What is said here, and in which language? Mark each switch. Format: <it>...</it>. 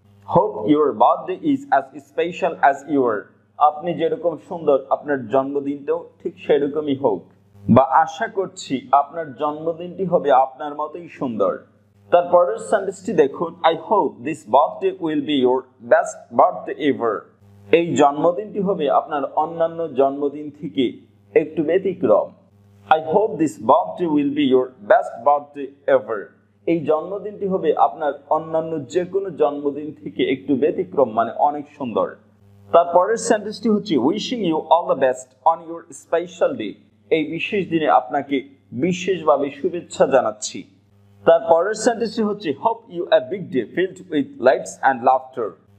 <en>Hope your birthday is as special as your.</en> <bn>আপনি যেরকম সুন্দর আপনার জন্মদিনটাও ঠিক সেরকমই হোক, বা আশা করছি আপনার জন্মদিনটি হবে আপনার মতোই সুন্দর। তারপরের সেন্টেন্সটি দেখুন,</bn> <en>I hope this birthday will be your best birthday ever.</en> <bn>এই জন্মদিনটি হবে আপনার অন্যান্য জন্মদিন থেকে একটু ব্যতিক্রম।</bn> <en>I hope this birthday will be your best birthday ever.</en> <bn>এই জন্মদিনটি হবে আপনার অন্যান্য যে কোনো জন্মদিন থেকে একটু ব্যতিক্রম, মানে অনেক সুন্দর। তারপরের সেন্টেন্সটি হচ্ছে</bn> <en>Wishing you all the best on your special day.</en> <bn>এই বিশেষ দিনে আপনাকে বিশেষভাবে শুভেচ্ছা জানাচ্ছি। তারপরের সেন্টেন্সটি হচ্ছে</bn> <en>Hope you a big day filled with lights and laughter.</en>